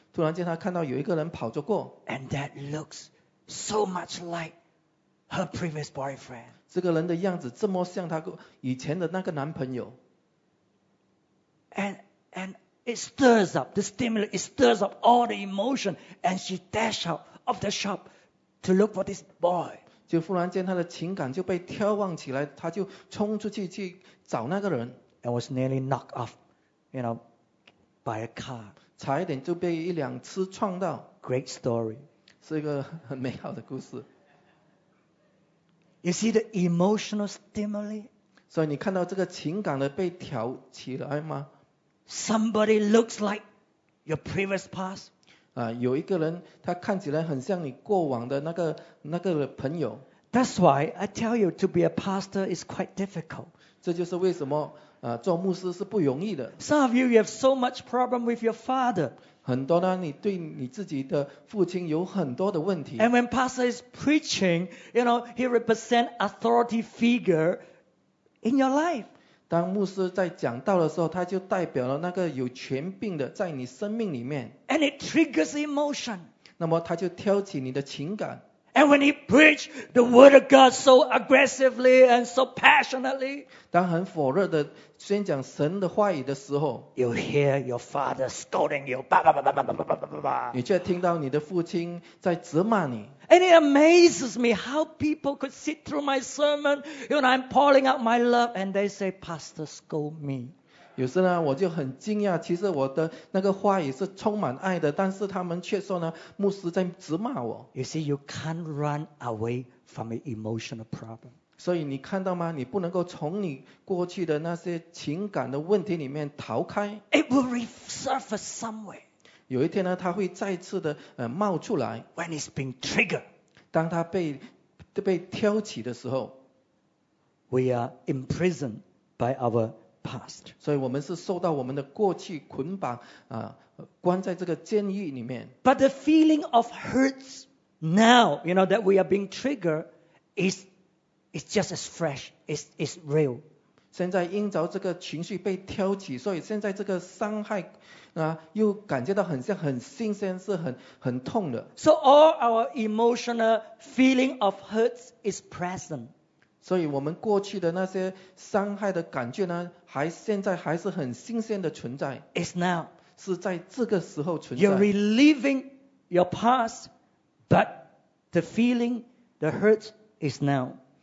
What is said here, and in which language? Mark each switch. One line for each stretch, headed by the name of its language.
Chinese: 突然间她看到有一个人跑着过。
English: And that looks so much like her previous boyfriend.
Chinese: 这个人的样子这么像他以前的那个男朋友。
English: And it stirs up, the stimuli, it stirs up all the emotion, and she dash out of the shop to look for this boy.
Chinese: 就忽然间他的情感就被眺望起来，他就冲出去去找那个人。
English: And was nearly knocked off, you know, by a car.
Chinese: 差一点就被一辆车撞到。
English: Great story.
Chinese: 是一个很美好的故事。
English: You see the emotional stimuli?
Chinese: 所以你看到这个情感的被挑起来吗？
English: Somebody looks like your previous past.
Chinese: 有一个人他看起来很像你过往的那个朋友。
English: That's why I tell you to be a pastor is quite difficult.
Chinese: 这就是为什么做牧师是不容易的。
English: Some of you have so much problem with your father.
Chinese: 很多呢，你对你自己的父亲有很多的问题。
English: And when pastor is preaching, you know, he represents authority figure in your life.
Chinese: 当牧师在讲道的时候，他就代表了那个有权柄的在你生命里面。
English: And it triggers emotion.
Chinese: 那么他就挑起你的情感。
English: And when he preached the word of God so aggressively and so passionately,
Chinese: 当很火热的宣讲神的话语的时候，
English: you hear your father scolding you, blah, blah, blah, blah, blah, blah, blah.
Chinese: 你却听到你的父亲在责骂你。
English: And it amazes me how people could sit through my sermon when I'm pouring out my love and they say, Pastor, scold me.
Chinese: 有时呢，我就很惊讶，其实我的那个话语是充满爱的，但是他们却说呢，牧师在责骂我。
English: You see, you can't run away from an emotional problem.
Chinese: 所以你看到吗？你不能够从你过去的那些情感的问题里面逃开。
English: It will resurface somewhere.
Chinese: 有一天呢，他会再次的冒出来。
English: When it's been triggered,
Chinese: 当他被挑起的时候
English: ，we are imprisoned by our past.
Chinese: 所以我们是受到我们的过去捆绑啊，关在这个监狱里面。
English: But the feeling of hurts now, you know, that we are being triggered, is just as fresh, is real.
Chinese: 现在因着这个情绪被挑起，所以现在这个伤害啊，又感觉到很像很新鲜，是很痛的。
English: So all our emotional feeling of hurts is present.
Chinese: 所以我们过去的那些伤害的感觉呢，现在还是很新鲜的存在。
English: It's now.
Chinese: 是在这个时候存在。
English: You're reliving your past, but the feeling, the hurts is now.